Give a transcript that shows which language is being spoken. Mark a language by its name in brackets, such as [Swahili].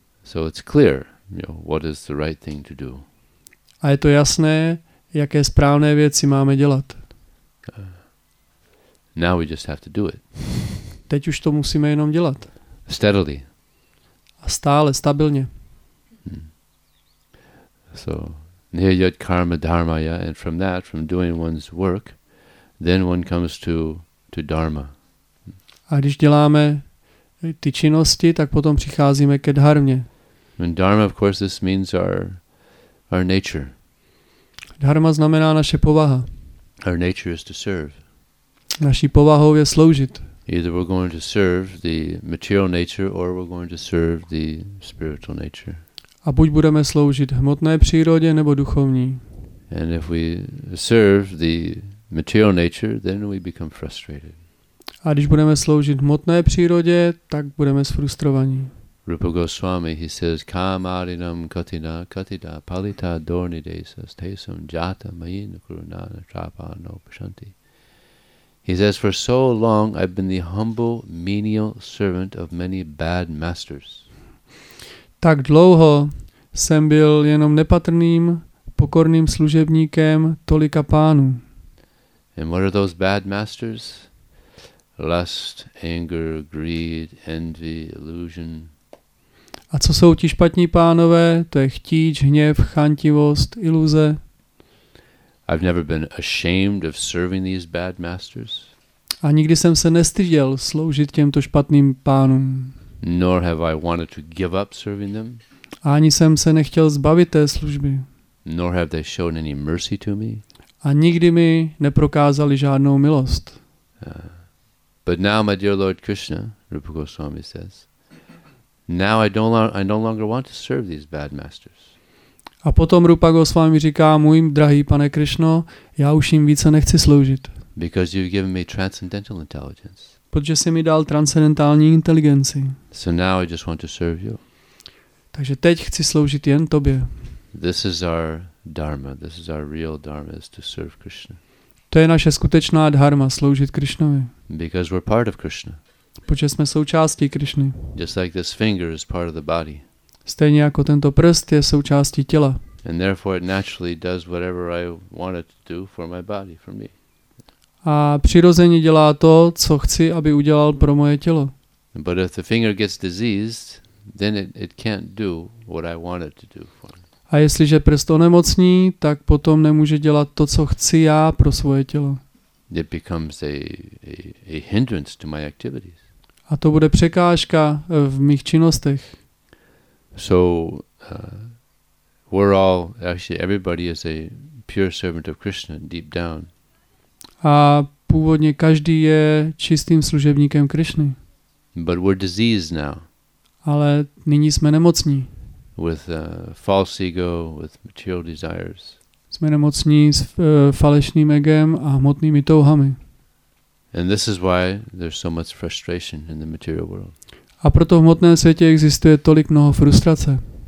[English] So it's clear, you know, what is the right thing to do. [Czech] A je to jasné, jaké správné věci máme dělat. [English] Now we just have to do it. [Czech] Teď už to musíme jenom dělat. [English] Steadily. [Czech] A stále, stabilně. [English] So [Sanskrit] nihayat karma dharmaya, [English] and from that, from doing one's work, then one comes to dharma. [Czech] A když děláme ty činnosti, tak potom přicházíme ke dharmě. [English] And dharma, of course, this means our nature. [Czech] Dharma znamená naše povaha. [English] Our nature is to serve. [Czech] Naší povahou je sloužit. [English] Either we're going to serve the material nature, or we're going to serve the spiritual nature. [Czech] A buď budeme sloužit hmotné přírodě nebo duchovní. [English] And if we serve the material nature, then we become frustrated. [Czech] A když budeme sloužit hmotné přírodě, tak budeme sfrustrovaní. [English] Rupa Goswami, he says, [Sanskrit] Kamarinam katina katida palita dornidesas tesam jata mayin kurunana trapa no pashanti. [English] He says, for so long I've been the humble, menial servant of many bad masters. [Czech] Tak dlouho jsem byl jenom nepatrným, pokorným služebníkem tolika pánů. [English] And what are those bad masters? Lust, anger, greed, envy, illusion. [Czech] A co jsou ti špatní pánové? To je chtíč, hněv, chantivost, iluze. [English] I've never been ashamed of serving these bad masters. [Czech] A nikdy jsem se nestyděl sloužit těmto špatným pánům. [English] Nor have I wanted to give up serving them. [Czech] Ani jsem se nechtěl zbavit té služby. [English] Nor have they shown any mercy to me. [Czech] A nikdy mi neprokázali žádnou milost. [English] But now, my dear Lord Krishna, Rupa Goswami says, now I no longer want to serve these bad masters. [Czech] A potom Rupa Goswami říká, můj drahý pane Krishno, já už jim více nechci sloužit. [English] Because you've given me transcendental intelligence. [Czech] Protože jsi mi dal transcendentální inteligenci. [English] So now I just want to serve you. [Czech] Takže teď chci sloužit jen tobě. [English] This is our dharma. This is our real dharma, is to serve Krishna. [Czech] To je naše skutečná dharma, sloužit Krishnovi. [English] Because we're part of Krishna. [Czech] Protože jsme součástí Krishny. [English] Just like this finger is part of the body. [Czech] Stejně jako tento prst je součástí těla. [English] And therefore it naturally does whatever I want it to do for my body, for me. [Czech] A přirozeně dělá to, co chci, aby udělal pro moje tělo. [English] But if the finger gets diseased, then it can't do what I want it to do for me. [Czech] A jestliže prst onemocní, tak potom nemůže dělat to, co chci já pro svoje tělo. [English] It becomes a hindrance to my activities. [Czech] A to bude překážka v mých činnostech. [English] So we're all, actually everybody is a pure servant of Krishna deep down. [Czech] A původně každý je čistým služebníkem Krishny. [English] But we're diseased now. [Czech] Ale nyní jsme nemocní. [English] With false ego, with material desires. [Czech] Jsme nemocní s falešným egem a hmotnými touhami. [English] And this is why there's so much frustration in the material world. [Czech] A proto v hmotném světě existuje tolik mnoho frustrace.